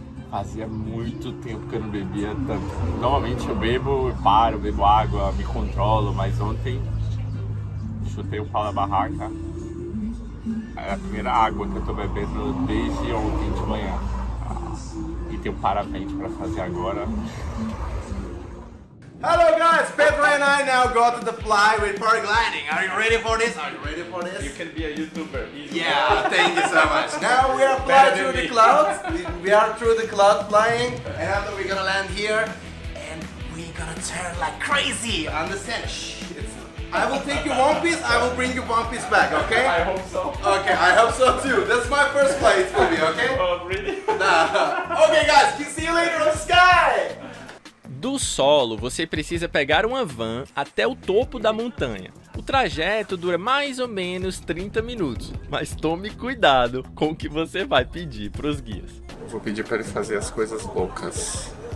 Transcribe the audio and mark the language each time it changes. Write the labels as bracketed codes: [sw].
[pt] Fazia muito tempo que eu não bebia tanto. Normalmente eu bebo, paro, bebo água, me controlo, mas ontem chutei o pau da barraca. É a primeira água que eu tô bebendo desde ontem de manhã. E tem um parapente pra fazer agora. [en] Hello guys, Pedro and I now go to the fly with paragliding. Are you ready for this? Are you ready for this? You can be a YouTuber. Easy. Yeah, thank you so much. Now we are flying through the clouds. We are through the cloud flying. And after we're gonna land here. And we're gonna turn like crazy. Understand? Shh. I will take you one piece, I will bring you one piece back, okay? I hope so. Okay, I hope so too. That's my first flight for me, okay? Oh, really? Okay guys, can see you later on the sky. [pt] Do solo, você precisa pegar uma van até o topo da montanha. O trajeto dura mais ou menos 30 minutos, mas tome cuidado com o que você vai pedir para os guias. Vou pedir para ele fazer as coisas loucas.